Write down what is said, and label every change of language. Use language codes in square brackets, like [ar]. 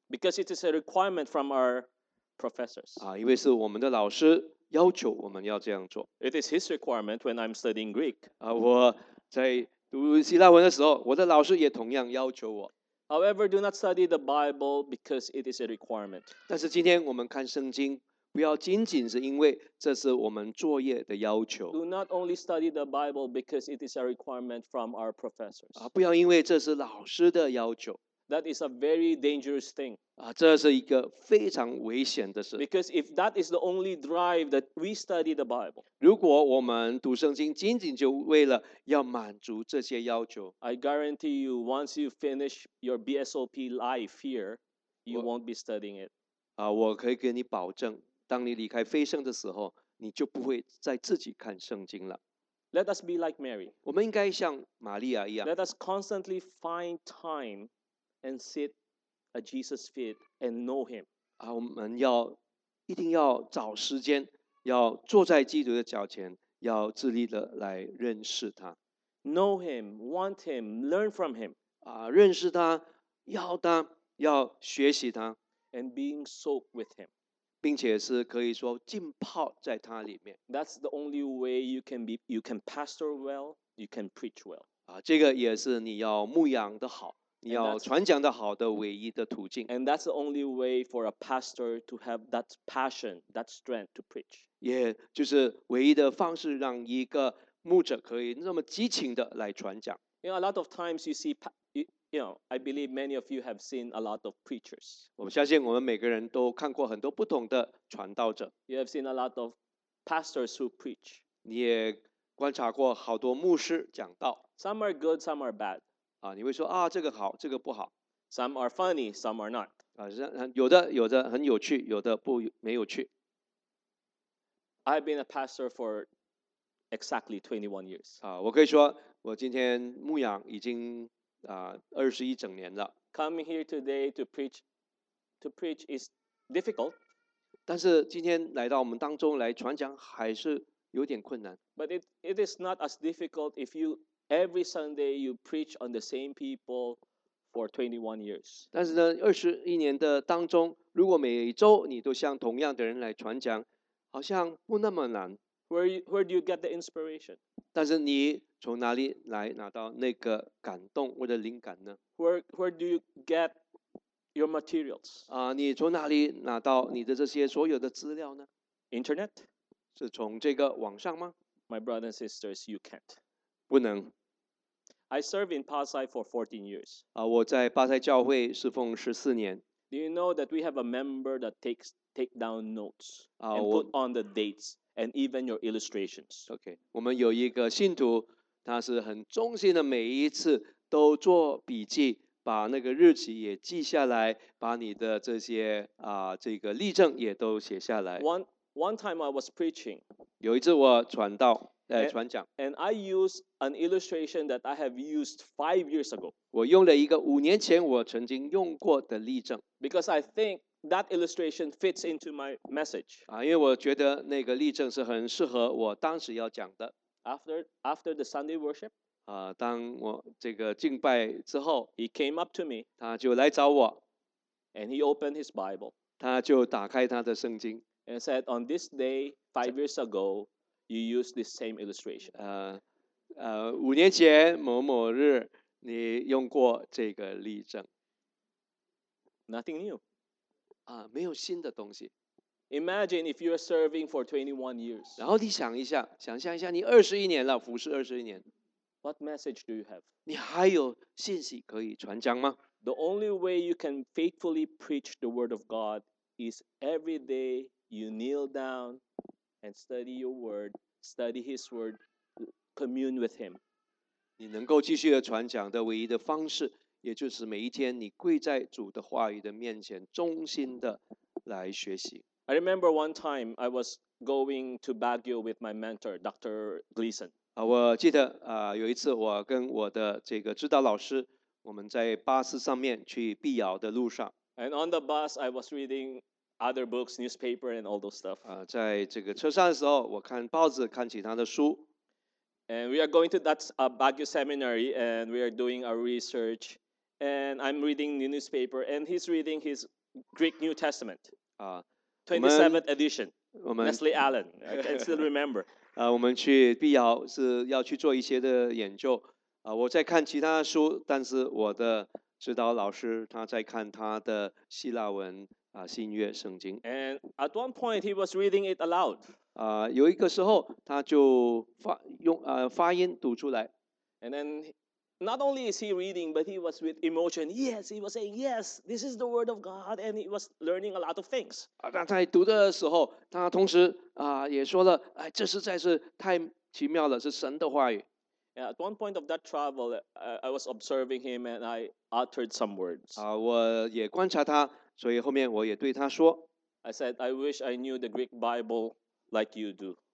[en] Because it is a requirement from our professors. [zh] 因为是我们的老师要求我们要这样做。 [en] It is his requirement when I'm studying Greek. [zh] 我在读希腊文的时候，我的老师也同样要求我。 [en] However, do not study the Bible because it is a requirement. [zh] 但是今天我们看圣经，不要仅仅是因为这是我们作业的要求。 [en] Do not only study the Bible because it is a requirement from our professors. [zh] 不要因为这是老师的要求。 [en] That is a very dangerous thing. [zh] 这是一个非常危险的事。 [en] Because if that is the only drive that we study the Bible. [zh] 如果我们读圣经仅仅就为了要满足这些要求。 [en] I guarantee you, once you finish your BSOP life here, you won't be studying it. [zh] 我可以给你保证。当你离开飞圣的时候，你就不会再自己看圣经了。 [en] Let us be like Mary. [zh] 我们应该像玛利亚一样。 [en] Let us constantly find time and sit at Jesus' feet and know Him. [zh] 我们要一定要找时间，要坐在基督的脚前，要致力的来认识他。 [en] Know Him, want Him, learn from Him. [zh] 认识他，要他，要学习他。 [en] And being soaked with Him. [zh] 并且是可以说浸泡在它里面。 [en] That's the only way you can pastor well, you can preach well. [zh] 这个也是你要牧养的好，你要传讲的好的唯一的途径。 [en] And that's the only way for a pastor to have that passion, that strength to preach. [zh] 也就是唯一的方式，让一个牧者可以那么激情的来传讲。 [en] You know, a lot of times you see. You know, I believe many of you have seen a lot of preachers. [zh] 我相信我们每个人都看过很多不同的传道者。 [en] You have seen a lot of pastors who preach. [zh] 你也观察过好多牧师讲道。 [en] Some are good, some are bad. [zh] 你会说这个好，这个不好。 [en] Some are funny, some are not. [zh] 有的很有趣，有的没有趣。 [en] I've been a pastor for exactly 21 years. [zh] 我可以说我今天牧养已经21整年了。 [en] Coming here today to preach is difficult. [zh] 但是今天来到我们当中来传讲还是有点困难。 [en] But it is not as difficult if you every Sunday you preach on the same people. For 21 years. [zh] 但是呢，二十一年的当中，如果每周你都向同样的人来传讲，好像不那么难。 [en] Where do you get the inspiration? [zh] 但是你从哪里来拿到那个感动或者灵感呢？ [en] Where do you get your materials? [zh] 你从哪里拿到你的这些所有的资料呢？ [en] Internet? [zh] 是从这个网上吗？ [en] My brothers and sisters, you can't. [zh] 不能。 [en] I served in Pasay for 14 years. [zh] 我在巴塞教会侍奉14年。 [en] Do you know that we have a member that take down notes and put on the dates and even your illustrations? Okay. [zh] 我们有一个信徒，他是很忠心的，每一次都做笔记，把那个日期也记下来，把你的这些这个例证也都写下来。 [en] One time I was preaching. [zh] 有一次我传道。传讲 [en] and I use an illustration that I have used 5 years ago. [zh] 我用了一个五年前我曾经用过的例证 [en] because I think that illustration fits into my message. [zh] 因为我觉得那个例证是很适合我当时要讲的 [en] After the Sunday worship, [zh] 当我这个敬拜之后 [en] he came up to me. [zh] 他就来找我 [en] and he opened his Bible. [zh] 他就打开他的圣经 [en] and said, "On this day 5 years ago." You use this same illustration. [zh] 五年前某某日，你用过这个例证。 [en] Nothing new. [zh] 没有新的东西。 [en] Imagine if you are serving for 21 years. [zh] 然后你想一下，想象一下，你二十一年了，服侍二十一年。 [en] What message do you have? [zh] 你还有信息可以传讲吗 [en] ？The only way you can faithfully preach the word of God is every day you kneel down. And study your word, study his word, commune with him. [zh] 你能够继续的传讲的唯一的方式，也就是每一天你跪在主的话语的面前，忠心的来学习。 [en] I remember one time I was going to Baguio with my mentor, Dr. Gleason. [zh] 我记得有一次我跟我的这个指导老师，我们在巴士上面去碧瑶的路上。 [en] And on the bus, I was reading. Other books, newspaper, and all those stuff. [zh] 在这个车上的时候，我看报纸，看其他的书。 [en] And we are going to that Baguio seminary, and we are doing our research. And I'm reading the newspaper, and he's reading his Greek New Testament. 27th edition. Nestle Allen. I can still remember. [zh] 我们去碧瑶是要去做一些的研究。我在看其他的书，但是我的指导老师他在看他的希腊文。新约圣经。 [en] And at one point, he was reading it aloud. [zh] 有一个时候，他就发音读出来。 [en] And then, not only is he reading, but he was with emotion. Yes, he was saying, yes, this is the word of God, and he was learning a lot of things. [zh] 在读的时候，他同时也说了，哎，这实在是太奇妙了，是神的话语。 [en] Yeah, at one point of that travel, I was observing him, and I uttered some words. [zh] 我也观察他。所以后面我也对他说 [en] ，I said I wish I knew the Greek Bible like you do。